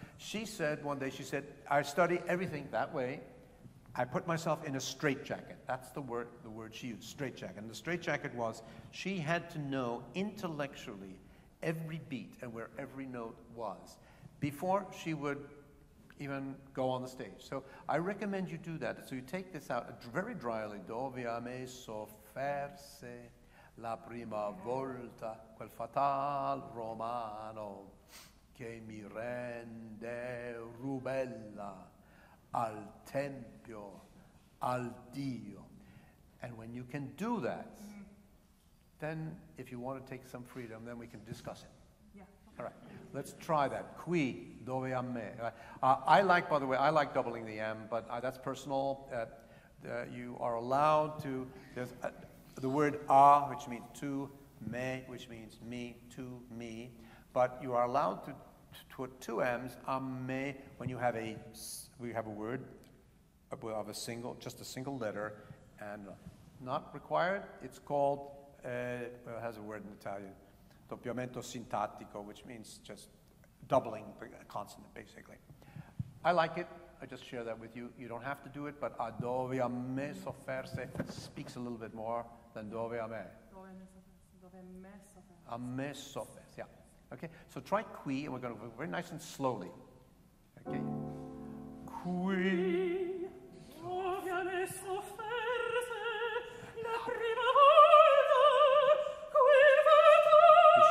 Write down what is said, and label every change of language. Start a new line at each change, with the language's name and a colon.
English: She said one day, she said, I study everything that way, I put myself in a straitjacket. That's the word she used, straitjacket. And the straitjacket was, she had to know intellectually every beat and where every note was before she would even go on the stage. So I recommend you do that. So you take this out very dryly.
Italian: Dove a me sofferse la prima volta quel fatal romano che mi rende rubella al tempio al Dio.
English: And when you can do that, then if you want to take some freedom, then we can discuss it. Yeah. All right, let's try that.
Italian: Qui, dove a me.
English: I like, by the way, I like doubling the M, but that's personal. You are allowed to, there's the word a, which means to, me, which means me, to me, but you are allowed to put two M's, a me, when you have a word of a single letter, and not required, it's called, well, it has a word in Italian, doppiamento sintattico, which means just doubling a consonant, basically. I like it. I just share that with you. You don't have to do it, but a
Italian: dove a me sofferse
English: speaks a little bit more than
Italian: dove a me. Dove a me sofferse. A me sofferse, yeah.
English: Okay, so try qui, and we're going to go very nice and slowly. Okay.
Italian: Qui, dove a me sofferse, la prima volta.